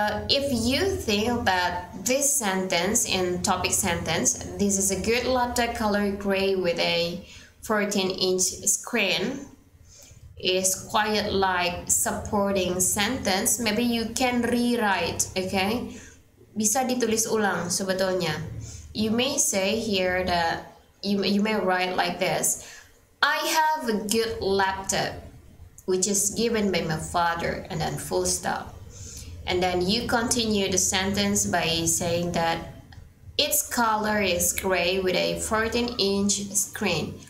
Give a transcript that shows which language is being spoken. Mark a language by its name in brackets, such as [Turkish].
[English] If you think that this sentence in topic sentence, this is a good laptop color gray with a 14-inch screen, is quite like supporting sentence, maybe you can rewrite, okay? [Indonesian] Bisa ditulis ulang sebetulnya. [English] You may say here that, you may write like this, I have a good laptop, which is given by my father, and then full stop. And then you continue the sentence by saying that its color is gray with a 14-inch screen.